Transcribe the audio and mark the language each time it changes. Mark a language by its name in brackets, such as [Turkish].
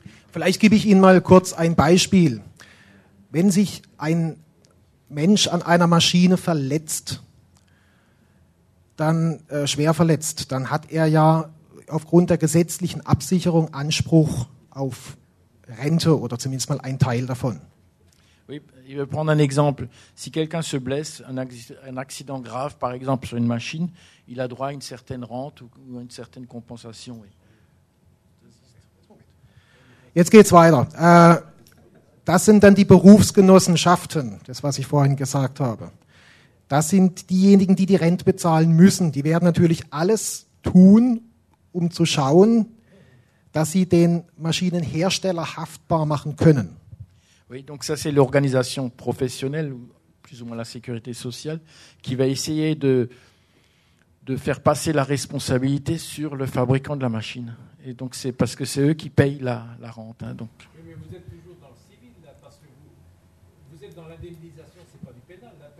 [German] Vielleicht gebe ich Ihnen mal kurz ein Beispiel. Wenn sich ein Mensch an einer Maschine verletzt, dann schwer verletzt, dann hat er ja aufgrund der gesetzlichen Absicherung Anspruch auf Rente oder zumindest mal einen Teil davon. [French] Oui, je vais prendre un exemple. Si quelqu'un se blesse, un accident grave, par exemple sur une machine, il a droit à une certaine rente ou à une certaine compensation. Oui. [German] Jetzt geht's weiter. Das sind dann die Berufsgenossenschaften, das, was ich vorhin gesagt habe. Das sind diejenigen, die die Rente bezahlen müssen. Die werden natürlich alles tun, um zu schauen, dass sie den Maschinenhersteller haftbar machen können. [French] Oui, donc ça c'est l'organisation professionnelle, plus ou moins la sécurité sociale, qui va essayer de faire passer la responsabilité sur le fabricant de la machine. Et donc c'est parce que c'est eux qui payent la rente. Hein, donc. Oui, mais vous êtes toujours dans le civil, là, parce que vous êtes dans l'indemnisation, c'est pas du pénal.